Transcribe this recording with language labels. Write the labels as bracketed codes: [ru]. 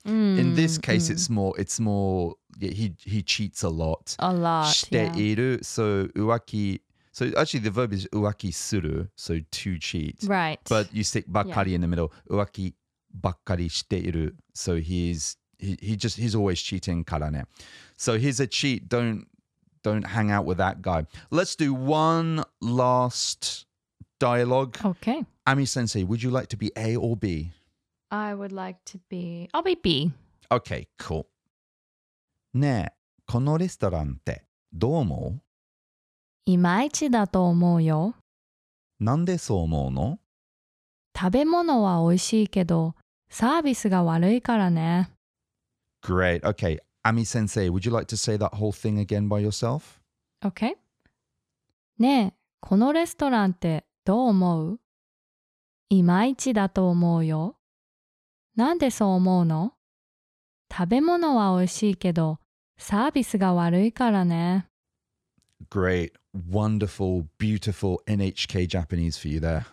[en] In this case, it's more, yeah, he cheats a lot. A lot, shiteru, yeah. So uwaki... So actually the verb is 浮気する, so to cheat. Right. But you stick bakari in the middle. [ja] 浮気ばっかりしている. [en] So he's always cheating [ja] からね. [en] So he's a cheat. Don't hang out with that guy. Let's do one last dialogue. Okay. Ami-sensei, would you like to be A or B? I would like to be... I'll be B. Okay, cool. [ja] ねえ、このレストランってどう思う? いまいちだと思うよ。なんでそう思うの? 食べ物はおいしいけど、サービスが悪いからね。 [en] Great. Okay. Ami-sensei, would you like to say that whole thing again by yourself? Okay. [ja] ねえ、このレストランってどう思う?いまいちだと思うよ。なんでそう思うの?食べ物はおいしいけど、サービスが悪いからね。 [en] Great, wonderful, beautiful NHK Japanese for you there.